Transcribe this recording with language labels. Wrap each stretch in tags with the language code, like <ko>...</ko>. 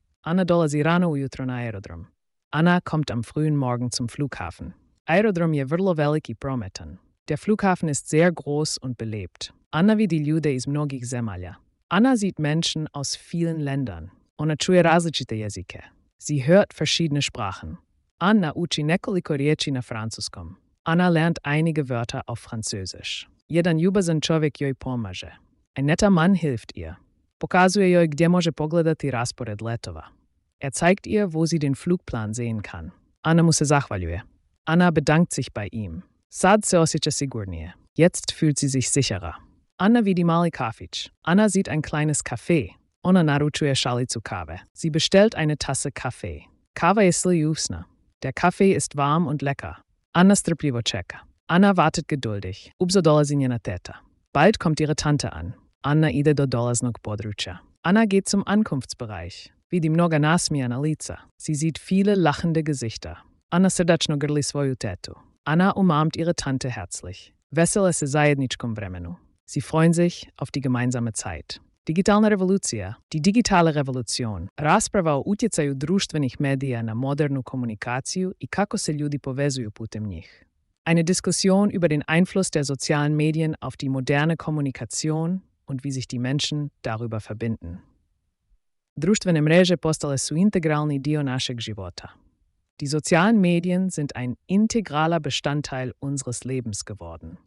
<hr>Anna dolazi rano ujutro na aerodrom.</hr> <de>Anna kommt am frühen Morgen zum Flughafen.</de> <hr>Aerodrom je vrlo velik i prometan.</hr> <de>Der Flughafen ist sehr groß und belebt.</de> <hr>Anna vidi ljude iz mnogih zemalja.</hr> <de>Anna sieht Menschen aus vielen Ländern.</de> <hr>Ona čuje različite jezike.</hr> <de>Sie hört verschiedene Sprachen.</de> <hr>Anna uči nekoliko riječi na francuskom.</hr> <de>Anna lernt einige Wörter auf Französisch.</de> <hr>Jedan ljubazan čovjek joj pomaže.</hr> <de>Ein netter Mann hilft ihr.</de> <hr>Pokazuje joj gdje može pogledati raspored letova.</hr> <de>Er zeigt ihr, wo sie den Flugplan sehen kann.</de> <hr>Anna mu se zahvaljuje.</hr> <de>Anna bedankt sich bei ihm.</de> <hr>Sad se osjeća sigurnije.</hr> <de>Jetzt fühlt sie sich sicherer.</de> <hr>Anna vidi mali kafić.</hr> <de>Anna sieht ein kleines Café.</de> <hr>Ona naručuje šalicu kave.</hr> <de>Sie bestellt eine Tasse Kaffee.</de> <hr>Kava je sli jufsna.</hr> <de>Der Kaffee ist warm und lecker.</de> <hr>Anna strpljivo čeka.</hr> <de>Anna wartet geduldig.</de> <hr>Ubzo dolazi njena teta.</hr> <de>Bald kommt ihre Tante an.</de> <hr>Anna ide do dolaznog područja.</hr> <de>Anna geht zum Ankunftsbereich.</de> <hr>Vidi mnoga nasmijana lica.</hr> <de>Sie sieht viele lachende Gesichter.</de> <hr>Anna srdačno grli svoju tetu.</hr> <de>Anna umarmt ihre Tante herzlich.</de> <hr>Vesele se zajedničkom vremenu.</hr> <de>Sie freuen sich auf die gemeinsame Zeit.</de> <hr>Digitalna revolucija.</hr> <de>Die digitale Revolution.</de> <hr>Rasprava o utjecaju društvenih medija na modernu komunikaciju i kako se ljudi povezuju putem njih.</hr> <de>Eine Diskussion über den Einfluss der sozialen Medien auf die moderne Kommunikation und wie sich die Menschen darüber verbinden.</de> <hr>Društvene mreže postale su integralni dio našeg života.</hr> <de>Die sozialen Medien sind ein integraler Bestandteil unseres Lebens geworden.</de>